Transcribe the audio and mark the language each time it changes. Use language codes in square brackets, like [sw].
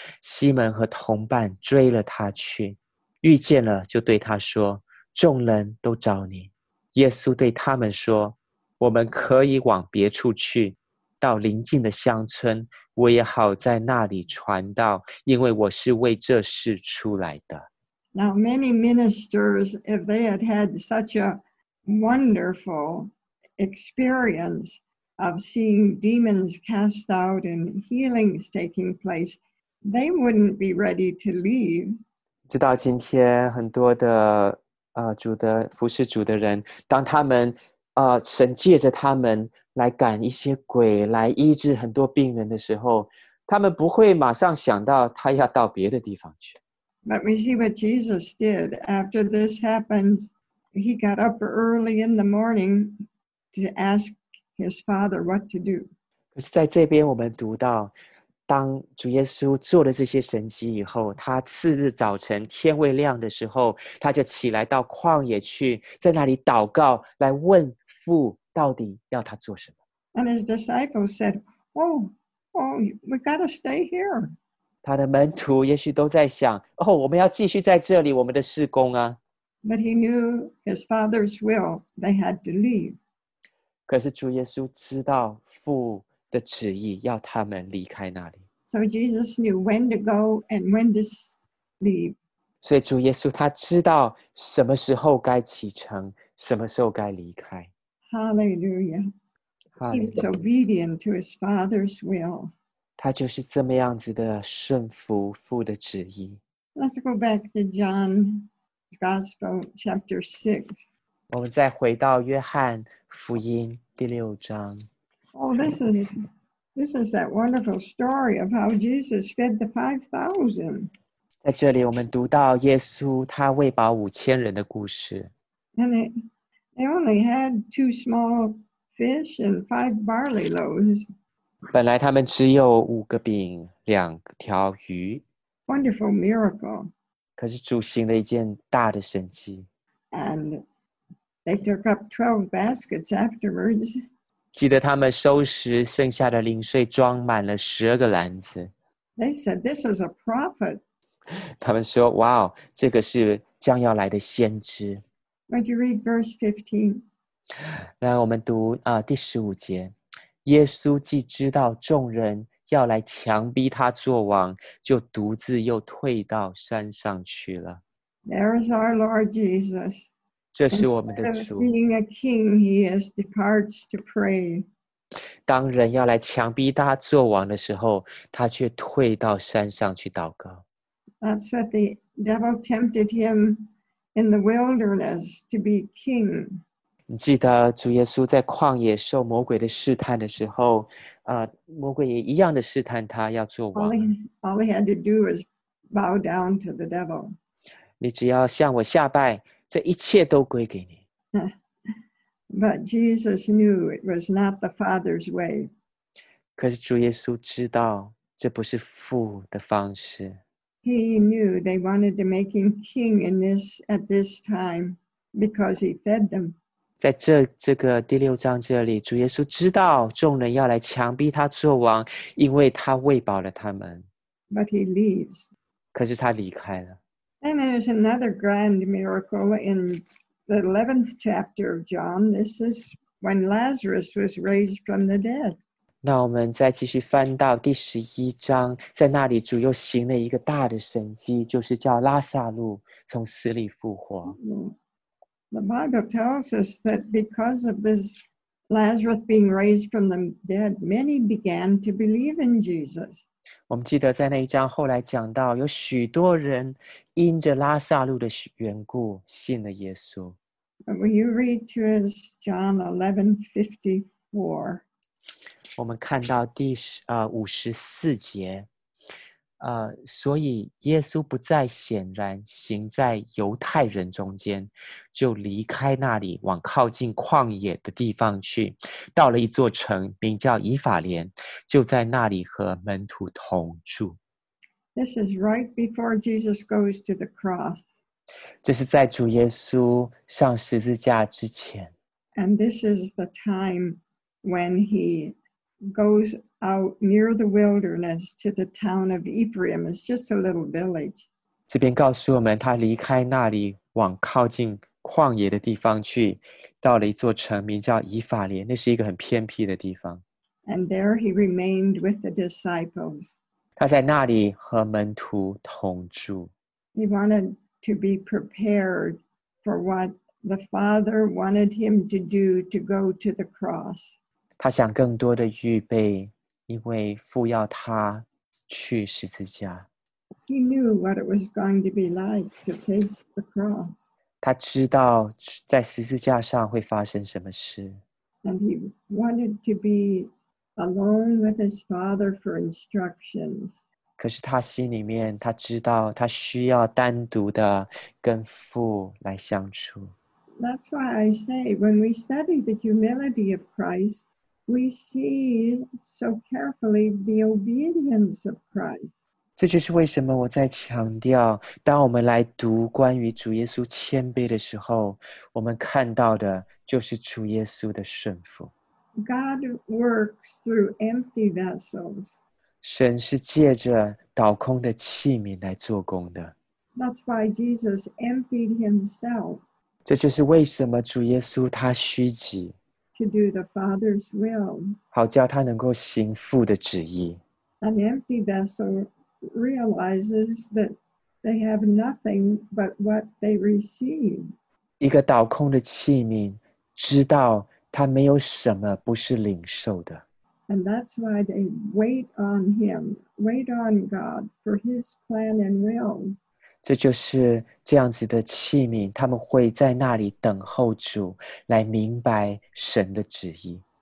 [zh] 西门和同伴追了他去，遇见了就对他说，众人都找你。耶稣对他们说，我们可以往别处去，到邻近的乡村，我也好在那里传道，因为我是为这事出来的。 [en] Now many ministers, if they had had such a wonderful experience of seeing demons cast out and healings taking place, they wouldn't be ready to leave. [zh] 直到今天，很多的主的服侍主的人，当他们神借着他们来赶一些鬼，来医治很多病人的时候，他们不会马上想到他要到别的地方去。 [en] But we see what Jesus did after this happened. He got up early in the morning to ask his father what to do. [zh] 可是在这边我们读到，当主耶稣做了这些神迹以后，他次日早晨天未亮的时候，他就起来到旷野去，在那里祷告，来问父到底要他做什么。 [en] And his disciples said, we gotta stay here. [zh] 他的门徒也许都在想，我们要继续在这里我们的事工啊。 [en] But he knew his father's will, they had to leave. [zh] 可是主耶稣知道父的旨意要他们离开那里。 [en] So Jesus knew when to go and when to leave. [zh] 所以主耶稣他知道什么时候该启程，什么时候该离开。 [en] Hallelujah. Hallelujah. He was obedient to his father's will. [zh] 他就是这么样子的顺服父的旨意。 [en] Let's go back to John's Gospel, chapter 6. [zh] 我们再回到约翰福音第六章。 [en] This is that wonderful story of how Jesus fed the 5,000. [zh] 在这里我们读到耶稣他喂饱五千人的故事。 [en] And they only had 2 small fish and 5 barley loaves. [zh] 本来他们只有五个饼，两条鱼。 [en] Wonderful miracle. [zh] 可是主行了一件大的神迹。 [en] And they took up 12 baskets afterwards. [zh] 记得他们收拾剩下的零碎，装满了十二个篮子。 [en] They said, "This is a prophet." [zh] 他们说，哇哦，这个是将要来的先知。 [en] Would you read verse 15? [zh] 来，我们读第十五节。耶稣既知道众人要来强逼他作王，就独自又退到山上去了。 [en] There is our Lord Jesus. [zh] 这是我们的主。 [en] Instead of being a king, he has departs to pray. [zh] 当人要来强逼他做王的时候，他却退到山上去祷告。 [en] That's what the devil tempted him in the wilderness to be king. [zh] 你记得主耶稣在旷野受魔鬼的试探的时候，魔鬼也一样的试探他要做王。 [en] All he had to do was bow down to the devil. [zh] 你只要向我下拜。这一切都归给你。 [en] But Jesus knew it was not the Father's way. [zh] 可是主耶稣知道这不是父的方式。 [en] He knew they wanted to make him king in this, at this time because he fed them. [zh] 在这个第六章这里，主耶稣知道众人要来强逼他做王，因为他喂饱了他们。 [en] But he leaves. [zh] 可是他离开了。 [en] And there's another grand miracle in the 11th chapter of John. This is when Lazarus was raised from the dead. [zh] 那我们再继续翻到第十一章，在那里主又行了一个大的神迹，就是叫拉撒路从死里复活。 [en] The Bible tells us that because of this Lazarus being raised from the dead, many began to believe in Jesus. [zh] 我们记得在那一章后来讲到，有许多人因着拉撒路的缘故信了耶稣。 [en] Will you read to us John 11:54? [zh] 我们看到第54节，所以耶稣不再显然行在犹太人中间，就离开那里，往靠近旷野的地方去，到了一座城，名叫以法莲，就在那里和门徒同住。 [en] This is right before Jesus goes to the cross. [zh] 这是在主耶稣上十字架之前。 [en] And this is the time when he goes out near the wilderness to the town of Ephraim. It's just a little village. [zh] 这边告诉我们，他离开那里，往靠近旷野的地方去，到了一座城，名叫以法莲，那是一个很偏僻的地方。 [en] And there he remained with the disciples. [zh] 他在那里和门徒同住。 [en] He wanted to be prepared for what the Father wanted him to do to go to the cross. [zh] 他想更多的预备，因为父要他去十字架。 [en] He knew what it was going to be like to face the cross. [zh] 他知道在十字架上会发生什么事。 [en] And he wanted to be alone with his Father for instructions. [zh] 可是他心里面，他知道他需要单独的跟父来相处。 [en] That's why I say, when we study the humility of Christ, we see so carefully the obedience of Christ. [zh] 这就是为什么我在强调，当我们来读关于主耶稣谦卑的时候，我们看到的就是主耶稣的顺服。 [en] God works through empty vessels. [zh] 神是借着倒空的器皿来做工的。 [en] That's why Jesus emptied himself. [zh] 这就是为什么主耶稣他虚己。 [en] To do the Father's will. [zh] 好叫他能够行父的旨意。 [en] An empty vessel realizes that they have nothing but what they receive. [zh] 一个倒空的器皿知道他没有什么不是领受的。 [en] And that's why they wait on him, wait on God for his plan and will. [zh] 这就是这样子的器皿，他们会在那里等候主来明白神的旨意。